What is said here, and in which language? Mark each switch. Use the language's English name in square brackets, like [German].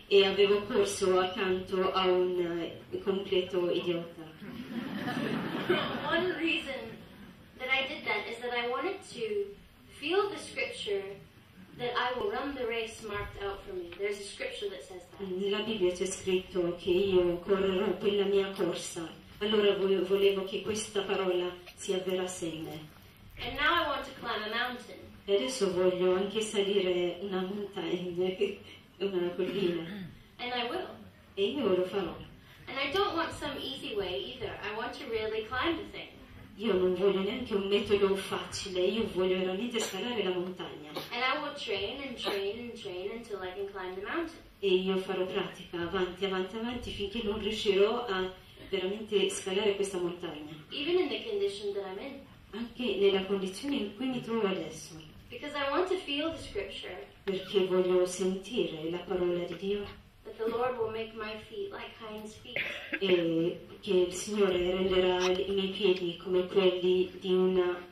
[Italian] E avevo corso accanto a un completo idiota. [English] One reason that I did that is that I wanted to feel the scripture that I will run the race marked out for me. There's a scripture that says that. [Italian] Nella Bibbia c'è scritto che io correrò quella mia corsa. Allora volevo che questa parola si avverasse in me. [English] And now I want to climb a mountain. [Italian] E adesso voglio anche salire una montagna. Una collina. [English] And I will. [Italian] E io lo farò. [English] And I don't want some easy way either. I want to really climb the thing. [Italian] Io non voglio neanche un metodo facile. Io voglio veramente scalare la montagna. [English] And I will train and train and train until I can climb the mountain. [Italian] E io farò pratica avanti, avanti, avanti finché non riuscirò a veramente scalare questa montagna. [English] Even in the condition that I'm in. [Italian] Anche nella condizione in cui mi trovo adesso. [English] Because I want to feel the scripture. [Italian] Perché voglio sentire la parola di Dio. [English] That the Lord will make my feet like hinds' feet. [Italian] E che il Signore renderà i miei piedi come quelli di una.